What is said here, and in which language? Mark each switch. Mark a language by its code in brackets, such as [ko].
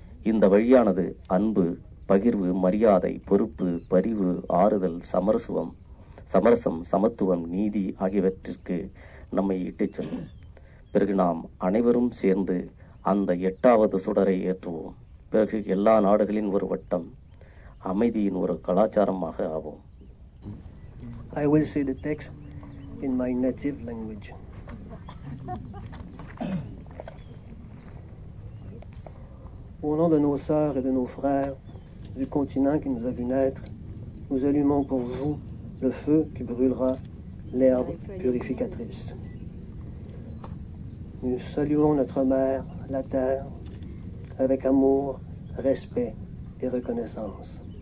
[ta] இந்த வழியானது அன்பு, பகிர்வு, மரியாதை, பொறுப்பு, பரிவு, ஆறுதல், சமரசுவம், சமரசம், சமத்துவம், நீதி ஆகியவற்றிற்கு நம்மை இட்டுச் செல்லும். பிறகு நாம் அனைவரும் சேர்ந்து அந்த எட்டாவது சுடரை ஏற்றுவோம். பிறகு எல்லா நாடுகளின் ஒரு வட்டம் அமைதியின் ஒரு கலாச்சாரமாக ஆகும். [en] I will say the text in my native language. [fr] Au nom de nos sœurs et de nos frères du continent qui nous a vu naître, nous allumons pour vous le feu qui brûlera l'herbe purificatrice. Nous saluons notre mère, la terre, avec amour, respect et reconnaissance.